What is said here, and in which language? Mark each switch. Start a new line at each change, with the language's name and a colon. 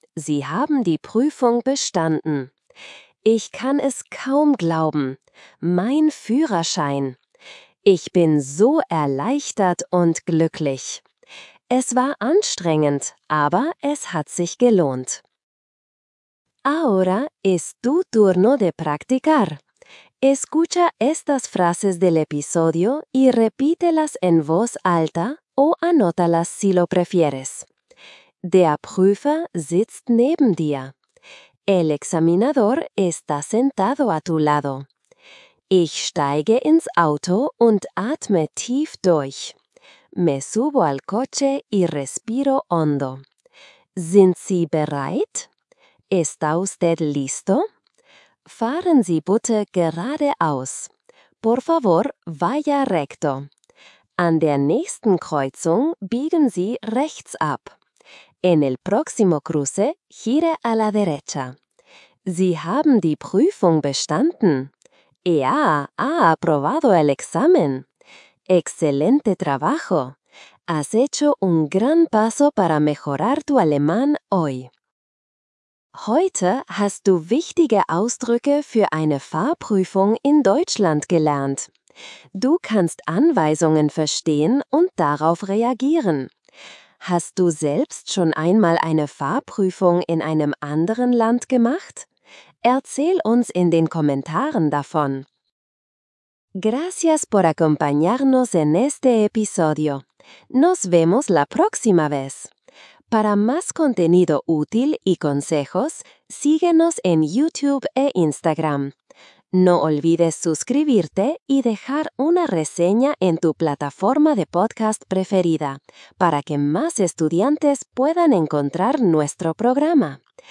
German: Sie haben die Prüfung bestanden. Ich kann es kaum glauben. Mein Führerschein. Ich bin so erleichtert und glücklich. Es war anstrengend, aber es hat sich gelohnt.
Spanish: Ahora es tu turno de practicar. Escucha estas frases del episodio y repítelas en voz alta o anótalas si lo prefieres.
German: Der Prüfer sitzt neben dir.
Spanish: El examinador está sentado a tu lado.
German: Ich steige ins Auto und atme tief durch.
Spanish: Me subo al coche y respiro hondo.
German: Sind Sie bereit?
Spanish: ¿Está usted listo?
German: Fahren Sie bitte geradeaus.
Spanish: Por favor, vaya recto.
German: An der nächsten Kreuzung biegen Sie rechts ab.
Spanish: En el próximo cruce, gire a la derecha.
German: Sie haben die Prüfung bestanden.
Spanish: y ha aprobado el examen. ¡Excelente trabajo! Has hecho un gran paso para mejorar tu alemán hoy.
German: Heute hast du wichtige Ausdrücke für eine Fahrprüfung in Deutschland gelernt. Du kannst Anweisungen verstehen und darauf reagieren. Hast du selbst schon einmal eine Fahrprüfung in einem anderen Land gemacht? Erzähl uns in den Kommentaren davon.
Spanish: Gracias por acompañarnos en este episodio. Nos vemos la próxima vez. Para más contenido útil y consejos, síguenos en YouTube e Instagram. No olvides suscribirte y dejar una reseña en tu plataforma de podcast preferida para que más estudiantes puedan encontrar nuestro programa.